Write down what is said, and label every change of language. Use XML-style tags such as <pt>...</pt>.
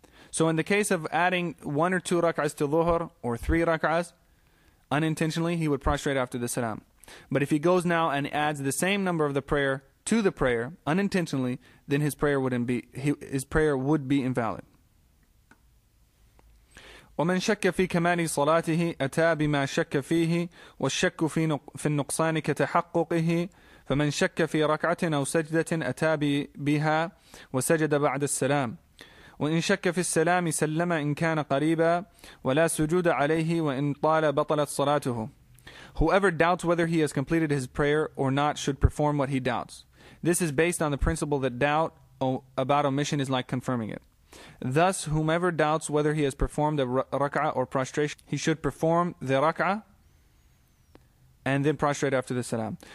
<en>So in the case of adding one or two rak'ahs to Dhuhr, or three rak'ahs, unintentionally, he would prostrate after the salam. But if he goes now and adds the same number of the prayer to the prayer unintentionally, then his prayer would be invalid.</en> <ar>ومن شك في كمال صلاته أتى بما شك فيه والشك في النقصان كتحققه فمن شك في ركعة أو سجدة أتى بها وسجد بعد السلام وإن شك في السلام سلم إن كان قريبا ولا سجود عليه وإن طال بطلت صلاته.</ar> <en>Whoever doubts whether he has completed his prayer or not should perform what he doubts. This is based on the principle that doubt about omission is like confirming it. Thus, whomever doubts whether he has performed a rak'ah or prostration, he should perform the rak'ah and then prostrate after the salam.</en>